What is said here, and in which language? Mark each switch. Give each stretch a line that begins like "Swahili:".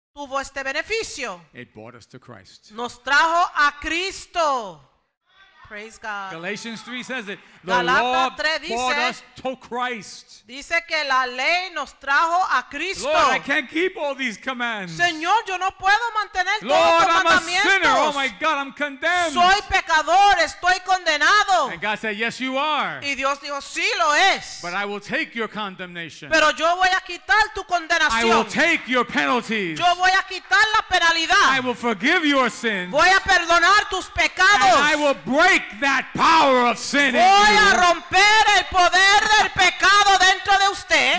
Spanish: Tuvo este beneficio.
English: It brought us to Christ.
Spanish: Nos trajo a Cristo.
English: Praise God. Galatians 3 says it. The Galatians law brought us to Christ.
Spanish: Dice que la ley nos trajo a Cristo.
English: Lord, I can't keep all these commands.
Spanish: Señor, yo no puedo mantener
English: Lord,
Spanish: todos los mandamientos.
English: I'm a sinner. Oh my God, I'm condemned.
Spanish: Soy pecador, estoy condenado.
English: And God said, yes, you are.
Spanish: Y Dios dijo, sí, lo es.
English: But I will take your condemnation.
Spanish: Pero yo voy a quitar tu condenación.
English: I will take your penalties.
Spanish: Yo voy a quitar la penalidad.
English: I will forgive your sins.
Spanish: Voy a perdonar tus pecados.
English: And I will break that power of sin in you.
Spanish: Voy a romper el poder del pecado dentro de usted.